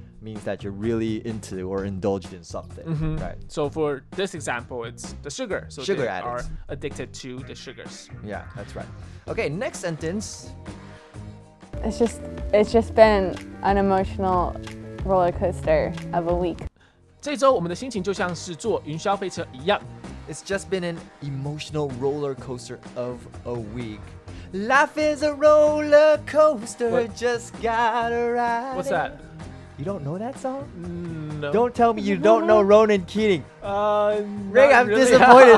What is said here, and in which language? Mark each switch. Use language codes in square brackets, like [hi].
[en] Means that you're really into or indulged in something, right? So for this example, it's the sugar. So sugar they addicts. Are addicted to the sugars. Yeah, that's right. Okay, next sentence. It's just been an emotional roller coaster of a week. [zh] 这周我们的心情就像是坐云霄飞车一样。 [en] It's just been an emotional roller coaster of a week. Life is a roller coaster,、 What? Just gotta ride. What's that? You don't know that song? No. Don't tell me you don't know Ronan Keating. Rick, I'm really disappointed.